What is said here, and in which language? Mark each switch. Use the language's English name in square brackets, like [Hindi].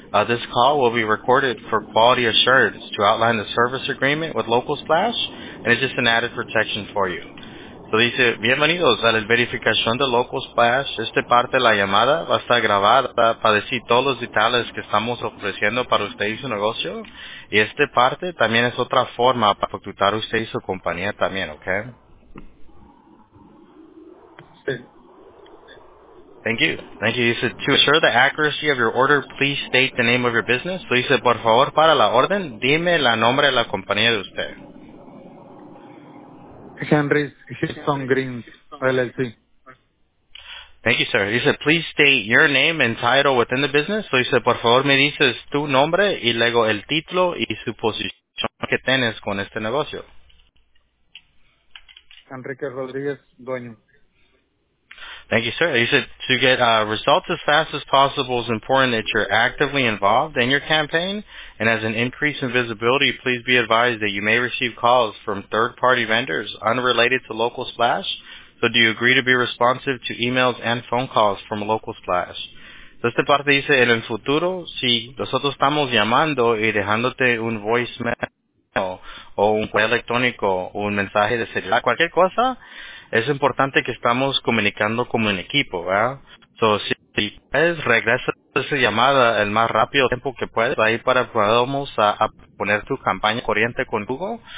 [English] This call will be recorded for quality assurance to outline the service agreement with Local Splash, and it's just an added protection for you. So he said, [Spanish] bienvenidos a la verificación de Local Splash. Esta parte de la llamada va a estar grabada para decir todos los detalles que estamos ofreciendo para usted y su negocio. Y esta parte también es otra forma para contactar usted y su compañía también, ¿ok? [English] Thank you. He said, to assure the accuracy of your order, please state the name of your business. So he said, [Spanish] por favor, para la orden, dime la nombre de la compañía de usted. Henry Houston Green, LLC. [English] Thank you, sir. He said, please state your name and title within the business. So he said, [Spanish] por favor, me dices tu nombre y luego el título y su posición que tienes con este negocio. Enrique Rodríguez, dueño. [English] Thank you, sir. He said, to get results as fast as possible, it's important that you're actively involved in your campaign. And as an increase in visibility, please be advised that you may receive calls from third-party vendors unrelated to Local Splash. So do you agree to be responsive to emails and phone calls from Local Splash? So [Spanish] esta parte dice, en el futuro, si nosotros estamos llamando y dejándote un voicemail o un correo electrónico o un mensaje de celular, cualquier cosa, es importante que estamos comunicando como un equipo, ¿verdad? [English] So, [Spanish] si puedes, regresa esa llamada el más rápido tiempo que puedes, ahí para podamos a poner tu campaña corriente con Google.